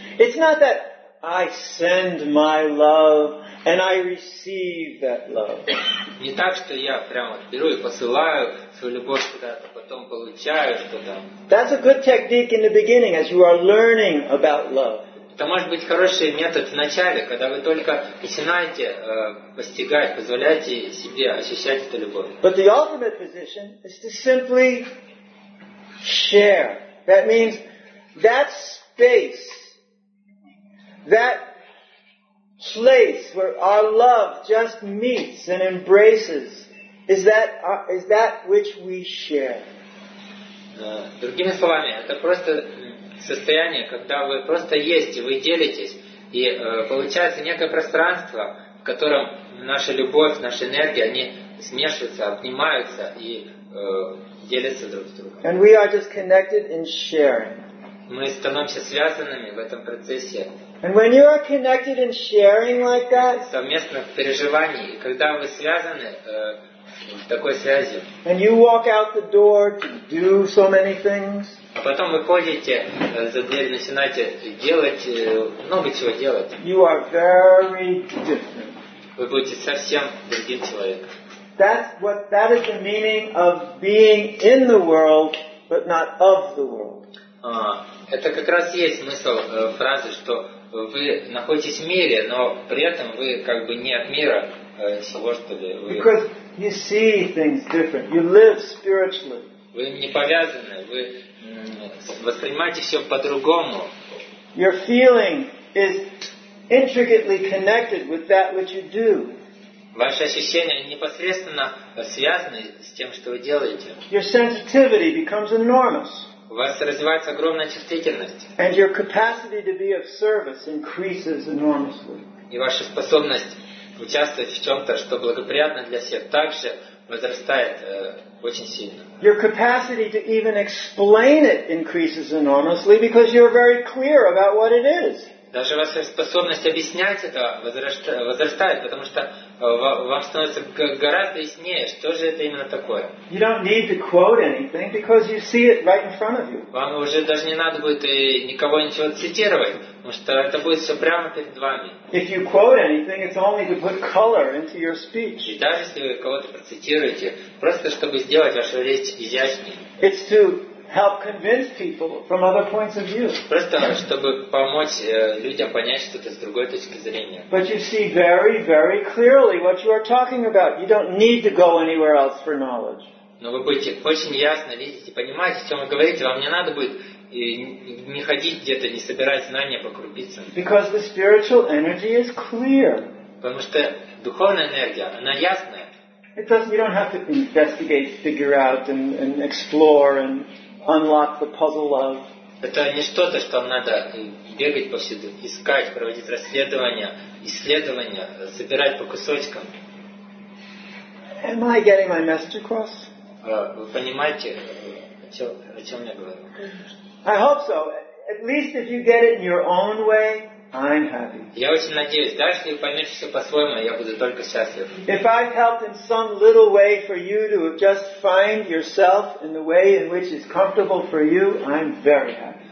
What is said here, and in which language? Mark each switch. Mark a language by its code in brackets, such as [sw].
[en] It's not that I send my love and I receive that love. [ru] Не так, что я прямо беру и посылаю свою любовь куда-то, потом получаю что-то. [en] That's a good technique in the beginning as you are learning about love. [ru] Это может быть хороший метод в начале, когда вы только начинаете постигать, позволяете себе ощущать эту любовь. [en] But the ultimate position is to simply share. That means that space, that place where our love just meets and embraces, is that which we share. [ru] Другими словами, это просто состояние, когда вы просто есть, и вы делитесь, и получается некое пространство, в котором наша любовь, наша энергия, они смешиваются, обнимаются и делятся друг с другом. [en] And we are just connected in sharing. [ru] Мы становимся связанными в этом процессе. [en] And when you are connected in sharing like that, [ru] совместно в переживании, когда вы связаны такой связи. [en] And you walk out the door to do so many things. [ru] А потом выходите за дверь, начинаете делать много чего делать. [en] You are very different. [ru] Вы будете совсем другим человеком. [en] That is the meaning of being in the world, but not of the world. [ru] Это как раз есть смысл фразы, что вы находитесь в мире, но при этом вы как бы не от мира всего, что ли. [en] Because you see things different. You live spiritually. [ru] Вы не повязаны, вы воспринимаете все по-другому. [en] Your feeling is intricately connected with that which you do. [ru] Ваши ощущения непосредственно связаны с тем, что вы делаете. [en] Your sensitivity becomes enormous. [ru] У вас развивается огромная чувствительность. [en] And your capacity to be of service increases enormously. [ru] И ваша способность участвовать в чем-то, что благоприятно для всех, также возрастает очень сильно. [en] Your capacity to even explain it increases enormously because you're very clear about what it is. [ru] Даже ваша способность объяснять это возрастает, потому что вам становится гораздо яснее, что же это именно такое. [en] You don't need to quote anything because you see it right in front of you. [ru] Вам уже даже не надо будет никого ничего цитировать, потому что это будет все прямо перед вами. [en] If you quote anything, it's only to put color into your speech. [ru] И даже если вы кого-то процитируете, просто чтобы сделать вашу речь изящнее. [en] It's to help convince people from other points of view. [ru] Просто чтобы помочь людям понять что-то с другой точки зрения. [en] But you see very, very clearly what you are talking about. You don't need to go anywhere else for knowledge. [ru] Но вы будете очень ясно видеть и понимать, о чем вы говорите. Вам не надо будет не ходить где-то, не собирать знания по крупицам. [en] Because the spiritual energy is clear. [ru] Потому что духовная энергия, она ясная. [en] You don't have to investigate, figure out, and explore, and unlock the puzzle of. [ru] Это не что-то, что надо бегать повсюду, искать, проводить расследования, исследования, собирать по кусочкам. [en] Am I getting my message across? [ru] Вы понимаете, о чем я говорю? [en] I hope so. At least if you get it in your own way, I'm happy. [ru] Я очень надеюсь, даже если вы поймете все по-своему, я буду только счастлив. [en] If I've helped in some little way for you to just find yourself in the way in which is comfortable for you, I'm very happy.